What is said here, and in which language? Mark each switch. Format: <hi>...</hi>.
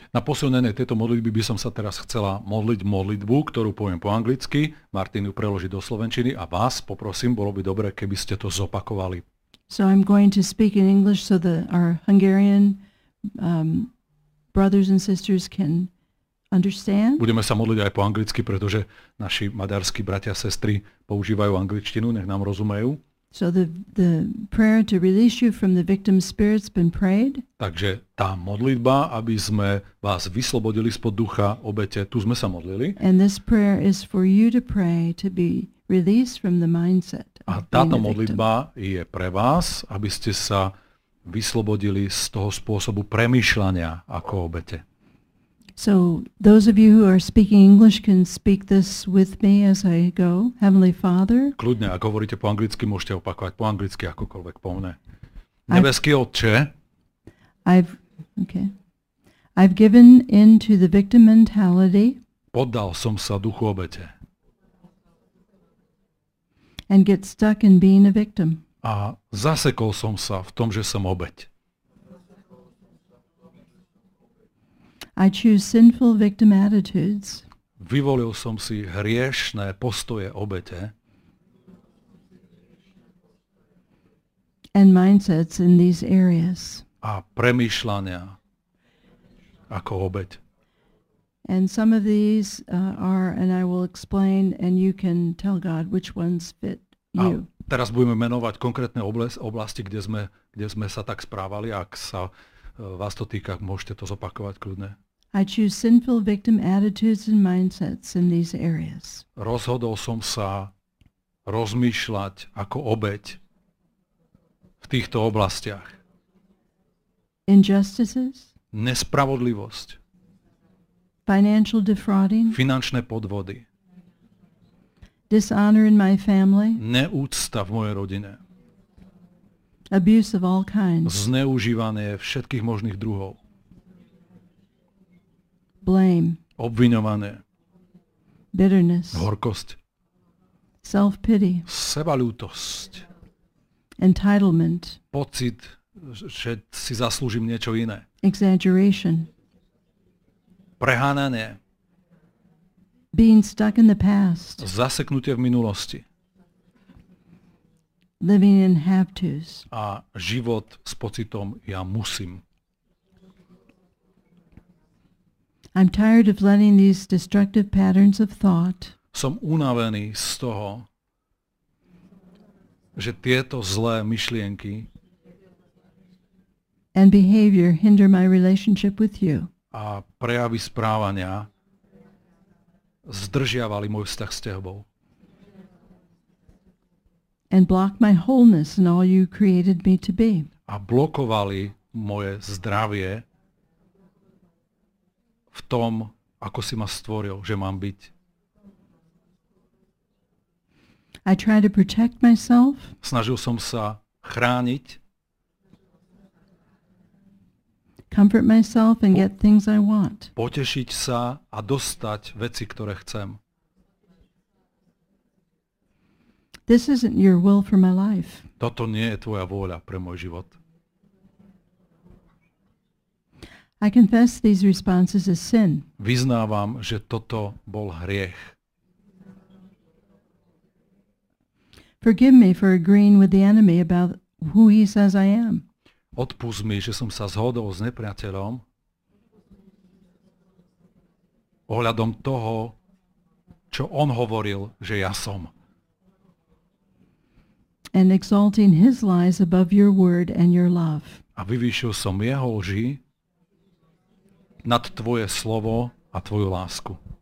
<sk>Na posilnenie tejto modlitby by som sa teraz chcela modliť modlitbu, ktorú poviem po anglicky, Martin ju preloží do slovenčiny a vás poprosím, bolo by dobre, keby ste to zopakovali.</sk> <en>So I'm going to speak in English so that our Hungarian brothers and sisters can understand.</en> <sk>Budeme sa modliť aj po anglicky, pretože naši maďarskí bratia a sestry používajú angličtinu, nech nám rozumejú.</sk> <en>So the prayer to release you from the victim spirit's been prayed.</en> <sk>Takže tá modlitba, aby sme vás vyslobodili spod ducha obete, tu sme sa modlili.</sk> <en>And this prayer is for you to pray to be released from the mindset.</en> <sk>A táto modlitba je pre vás, aby ste sa vyslobodili z toho spôsobu premýšľania ako obete.</sk> <en>So those of you who are speaking English can speak this with me as I go. Heavenly Father.</en> <sk>Kľudne, ak hovoríte po anglicky, môžete opakovať po anglicky akokoľvek po mne. Nebeský Otče.</sk> <en>I've given in to the victim mentality.</en> <sk>Poddal som sa duchu obete.</sk> <en>And get stuck in being a victim.</en> <sk>A zasekol som sa v tom, že som obeť.</sk> <en>I choose sinful victim attitudes.</en> <sk>Vyvolil som si hriešné postoje obete.</sk> <en>And mindsets in these areas.</en> <sk>A premýšľania ako obeť.</sk> <en>And some of these are, and I will explain, and you can tell God which ones fit.</en> <sk>A teraz budeme menovať konkrétne oblasti, kde sme sa tak správali. Ak sa vás to týka, môžete to zopakovať kľudne.</sk> <en>I choose sinful victim attitudes and mindsets in these areas.</en> <sk>Rozhodol som sa rozmýšľať ako obeť v týchto oblastiach.</sk> <en>Injustices.</en> <sk>Nespravodlivosť.</sk> <en>Financial defrauding.</en> <sk>Finančné podvody.</sk> <en>Dishonor in my family.</en> <sk>Neúcta v mojej rodine.</sk> <en>Abuse of all kinds.</en> <sk>Zneužívanie všetkých možných druhov.</sk> <en>Blame.</en> <sk>Obviňovanie.</sk> <en>Bitterness.</en> <sk>Horkosť.</sk> <en>Self-pity.</en> <sk>Sebaľútosť.</sk> <en>Entitlement.</en> <sk>Pocit, že si zaslúžim niečo iné.</sk> <en>Exaggeration.</en> <sk>Prehánanie.</sk> <en>Being stuck in the past.</en> <sk>Zaseknutie v minulosti.</sk> <en>Living in have-tos.</en> <sk>A život s pocitom ja musím.</sk> <en>I'm tired of letting these destructive patterns of thought.</en> <sk>Som unavený z toho, že tieto zlé myšlienky</sk> <en>and behavior hinder my relationship with you.</en> <sk>A prejavy správania zdržiavali môj vzťah s tebou.</sk> <en>And blocked my wholeness and all you created me to be.</en> <sk>A blokovali moje zdravie v tom, ako si ma stvoril, že mám byť.</sk> <en>I try to protect myself.</en> <sk>Snažil som sa chrániť.</sk> <en>Comfort myself and get things I want.</en> <sk>Potešiť sa a dostať veci, ktoré chcem.</sk> <en>This isn't your will for my life.</en> <sk>Toto nie je tvoja vôľa pre môj život.</sk> <en>I confess these responses as sin.</en> <sk>Vyznávam, že toto bol hriech.</sk> <en>Forgive me for agreeing with the enemy about who he says I am.</en> <sk>Odpusť mi, že som sa zhodol s nepriateľom ohľadom toho, čo on hovoril, že ja som.</sk> <en>And exalting his lies above your word and your love.</en> <sk>A vyvýšil som jeho lži nad tvoje slovo a tvoju lásku.</sk>